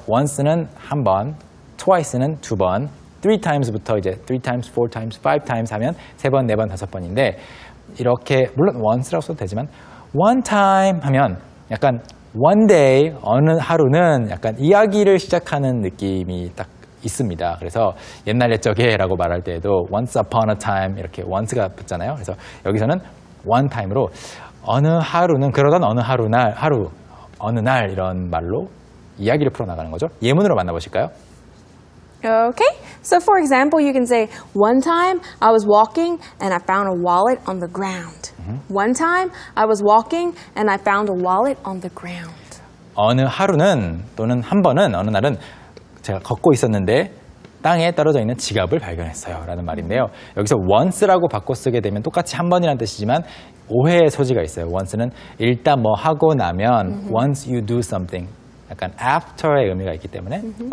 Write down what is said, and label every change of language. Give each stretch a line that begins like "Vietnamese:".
Korean: Once는 한 번, twice는 두 번, three times부터 이제
English: three times, four times, five times
Korean: 하면 세 번, 네 번, 다섯 번인데 이렇게 물론 once라고 써도 되지만 one time 하면 약간 one day, 어느 하루는 약간 이야기를 시작하는 느낌이 딱 있습니다. 그래서 옛날 옛적에 라고 말할 때에도
English: once upon a time
Korean: 이렇게 once가 붙잖아요. 그래서 여기서는 one time으로 어느 하루는 그러던 어느 하루 날 하루 어느 날 이런 말로 이야기를 풀어나가는 거죠. 예문으로 만나보실까요?
English: Okay, so for example, you can say one time I was walking and I found a wallet on the ground. Mm-hmm. One time I was walking and I found a wallet on the ground.
Korean: 어느 하루는 또는 한 번은 어느 날은 제가 걷고 있었는데 땅에 떨어져 있는 지갑을 발견했어요 라는 말인데요. 여기서 once라고 바꿔 쓰게 되면 똑같이 한 번이라는 뜻이지만 오해의 소지가 있어요. once는 일단 뭐 하고 나면 mm-hmm.
English: once you do something
Korean: 약간 after의 의미가 있기 때문에 mm-hmm.